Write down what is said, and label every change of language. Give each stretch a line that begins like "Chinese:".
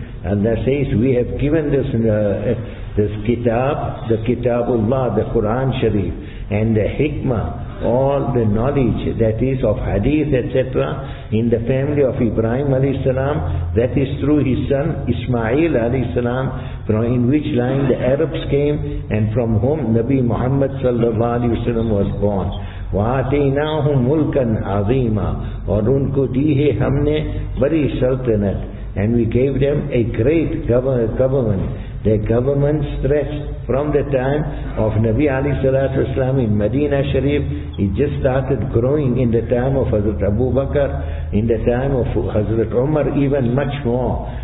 English: Allah says, we have given this this kitab, the kitabullah, the Quran Sharif, and the hikmah, all the knowledge, that is of hadith, etc., in the family of Ibrahim alayhi salam, that is through his son Ismail alayhi salam, from in which line the Arabs came, and from whom Nabi Muhammad sallallahu alayhi wasallam was born.
Arabic: وَآتَيْنَاهُمْ مُلْكًا عَظِيمًا.
Urdu: اور ان کو دی ہے ہم نے بری سلطنت.
English: And we gave them a great government. Their government stretched from the time of Nabi alayhi salatu wasalam in Medina Sharif. It just started growing in the time of Hazrat Abu Bakr, in the time of Hazrat Umar, even much more.